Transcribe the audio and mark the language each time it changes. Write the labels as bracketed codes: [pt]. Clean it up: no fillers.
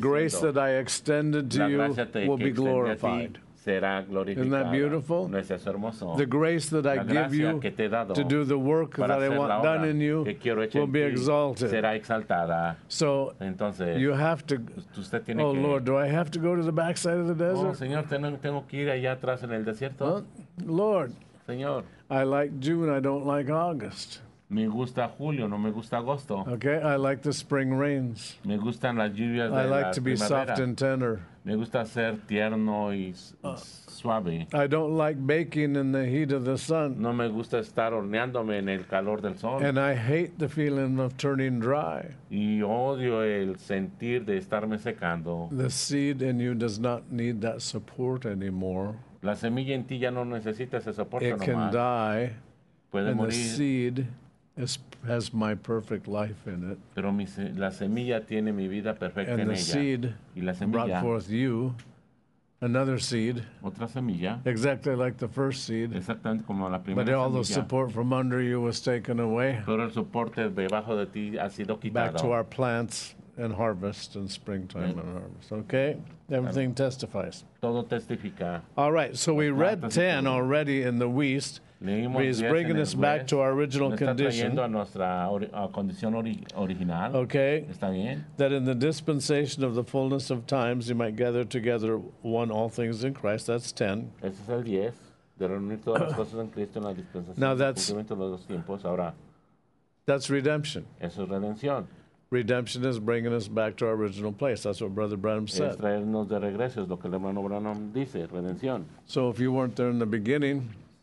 [en] grace that I extended to you will be glorified. Isn't that beautiful? [es] ¿No es eso hermoso? [en] The grace that I give you to do the work that I want done in you will be exalted. [es] Será exaltada. [en] So [es] entonces, [en] you have to, [es] usted tiene oh que, [en] Lord, do I have to go to the backside of the desert? [es] Oh, señor, tengo que ir allá atrás en el desierto? [en] Well, Lord, [es] señor, [en] I like June, I don't like August. [es] Me gusta julio, no me gusta agosto. [en] Okay, I like the spring rains. [es] Me gustan las lluvias de [en] I like [es] la [en] to [es] primavera. [en] Be soft and tender. [es] Me gusta ser tierno y suave. [en] I don't like baking in the heat of the sun. [es] No me gusta estar horneándome en el calor del sol. [en] And I hate the feeling of turning dry. [es] Y odio el sentir de estarme secando. [en] The seed in you does not need that support anymore. [es] La semilla en ti ya no necesita ese soporte [en] it [es] nomás. [en] Can die. [es] Puede [en] and [es] morir. [en] The seed has my perfect life in it. [es] Pero la semilla tiene mi vida perfecta [en] and [es] en [en] the [es] ella. [en] Seed [es] y la semilla [en] brought forth you, another seed. [es] Otra semilla. [en] Exactly like the first seed. [es] Exactamente como la primera [en] but [es] semilla. [en] All the support from under you was taken away. [es] Pero el soporte debajo de ti ha sido quitado. [en] Back to our plants and harvest and springtime and harvest. Okay? Everything claro. Testifies. [es] Todo testifica. [en] All right, so we read 10 already in the West. He's bringing us back to our original condition. [es] A nuestra condición original. [en] Okay. [es] ¿Está bien? [en] That in the dispensation of the fullness of times, you might gather together one all things in Christ. That's 10. [es] Ese es el 10. De reunir todas las cosas en Cristo en la dispensación. [en] Now that's, [es] los dos tiempos, ahora, [en] that's redemption. [es] Eso es redención. [en] Redemption is bringing us back to our original place. That's what Brother Branham said. [es] Es traernos de regreso. Es lo que el hermano Branham dice. Redención. [en] So if you weren't there in the beginning,